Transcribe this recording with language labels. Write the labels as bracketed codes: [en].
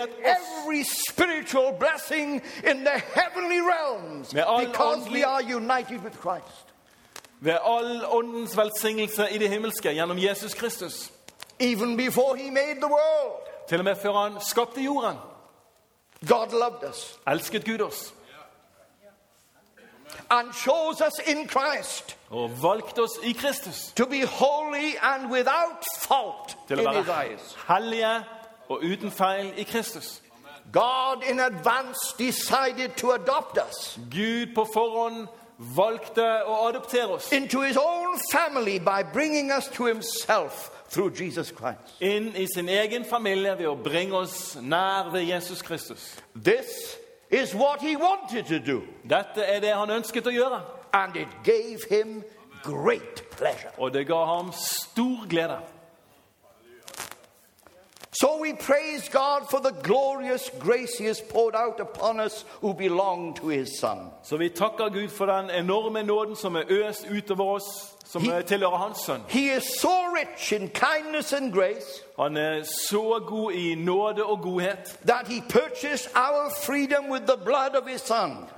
[en] with every spiritual blessing in the heavenly realms, because we are united with Christ. [no] Ved all åndens velsignelse I det himmelske gjennom Jesus Kristus, [en] even before He made the world, [no] til og med før han skapte jorden, [en] God loved us, [no] elsket Gud oss. [en] And chose us in Christ [no] og valgte oss I Kristus, [en] to be holy and without fault [no] til [en] in His eyes. [no] Hellige og uten feil I Kristus. [en] God in advance decided to adopt us. [no] Gud på forhånd valgte å adoptere oss [en] into His own family by bringing us to Himself through Jesus Christ. [no] In I sin egen familie ved å bringe oss nær ved Jesus Kristus. [en] This is what he wanted to do. [no] Dette det han ønsket å gjøre. [en] And it gave him great pleasure. [no] Og det ga ham stor glede. [en] So we praise God for the glorious grace he has poured out upon us who belong to his son. [no] Så vi takker Gud for den enorme nåden som øst utover oss som tilhører hans sønn. [en] He is so rich in kindness and grace. [no] Han så god I nåde og godhet. [en] That he purchased our freedom with the blood of his son.